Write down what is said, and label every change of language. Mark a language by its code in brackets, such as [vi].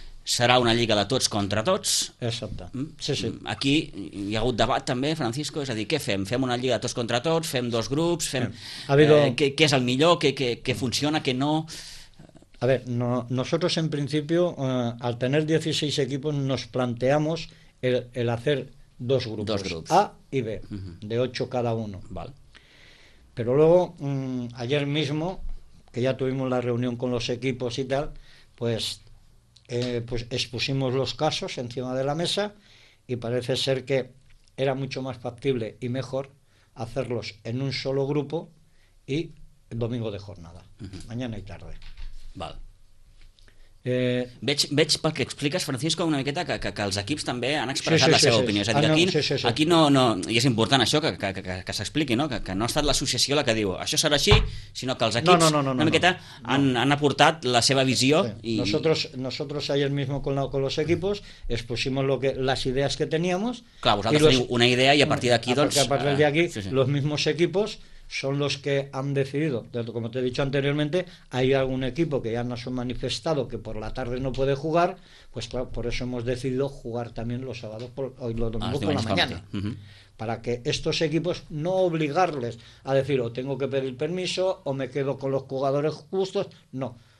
[ca] Serà una lliga de tots contra tots. Exacte. Sí, sí. Aquí hi ha hagut debat també, Francisco, és a dir, què fem? Fem una lliga de tots contra tots? Fem dos grups? Què és el millor? Què funciona? Què no? [es] A ver, no, nosotros en principio, al tener 16 equipos, nos planteamos el hacer dos grupos. [ca] Dos grups. [es] A y B, de 8 cada uno. Vale. Pero luego, ayer mismo, que ya tuvimos la reunión con los equipos y tal, pues expusimos los casos encima de la mesa y parece ser que era mucho más factible y mejor hacerlos en un solo grupo y el domingo de jornada, mañana y tarde. [ca] Val. Veig pel que expliques, Francisco, una miqueta que els equips també han expressat seva opinió. Aquí i és important això que s'expliqui, no? Que no ha estat l'associació la que diu això serà així, sinó que els equips han aportat la seva visió. Sí. [es] Nosotros ayer mismo con los equipos expusimos las ideas que teníamos. [ca] Clar, vosaltres teniu una idea i a partir d'aquí [es] los mismos equipos son los que han decidido, como te he dicho anteriormente, hay algún equipo que ya nos ha manifestado que por la tarde no puede jugar, pues claro, por eso hemos decidido jugar también los sábados y los domingos por la mañana. Para que estos equipos no obligarles a decir o tengo que pedir permiso o me quedo con los jugadores justos, no.